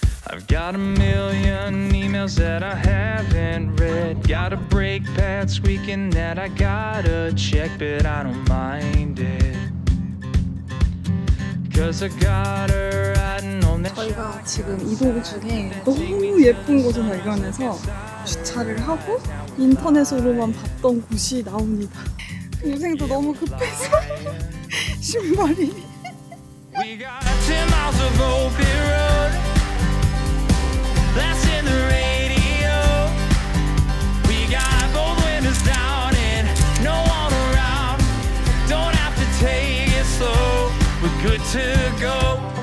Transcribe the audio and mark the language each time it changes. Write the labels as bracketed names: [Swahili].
[English] I've got a million emails that I haven't read. Gotta break Pat's weekend that I gotta check, but I don't mind it. Cause I got her riding on that. [Korean] 저희가 지금 이동 중에 너무 예쁜 곳을 발견해서 주차를 하고 인터넷으로만 봤던 곳이 나옵니다. 동생도 너무 급해서 신발이. [English] We got 10 miles of open road. That's in the radio. We got both windows down and no one around. Don't have to take it slow. We're good to go.